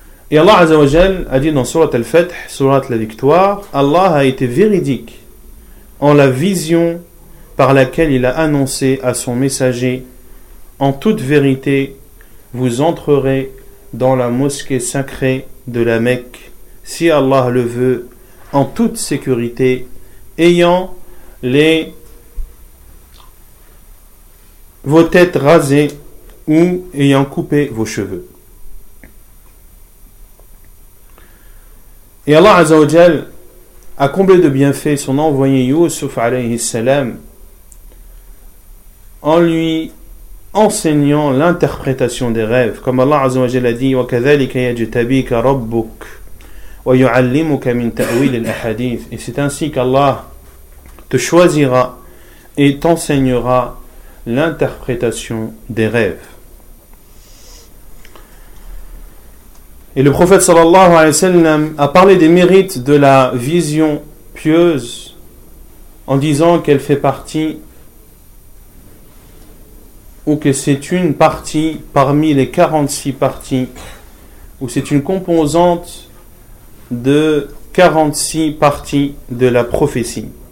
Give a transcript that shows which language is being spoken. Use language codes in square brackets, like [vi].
[fr] Et Allah Azza wa Jal a dit dans Surat Al-Fath, Surat la Victoire, Allah a été véridique en la vision par laquelle il a annoncé à son messager: en toute vérité, vous entrerez dans la mosquée sacrée de la Mecque, si Allah le veut, en toute sécurité, ayant vos têtes rasées ou ayant coupé vos cheveux. Et Allah Azza wa Jal a comblé de bienfaits son envoyé Yusuf alayhi salam en lui enseignant l'interprétation des rêves. Comme Allah Azza wa Jalla dit, [ar] وَكَذَلِكَ يَجْتَبِيكَ رَبُّكَ وَيُعَلِّمُكَ مِنْ تَأْوِيلِ الْأَحَدِيثِ. [fr] Et c'est ainsi qu'Allah te choisira et t'enseignera l'interprétation des rêves. Et le prophète sallallahu alayhi wa sallam a parlé des mérites de la vision pieuse en disant qu'elle fait partie ou que c'est une partie parmi les 46 parties ou c'est une composante de 46 parties de la prophétie.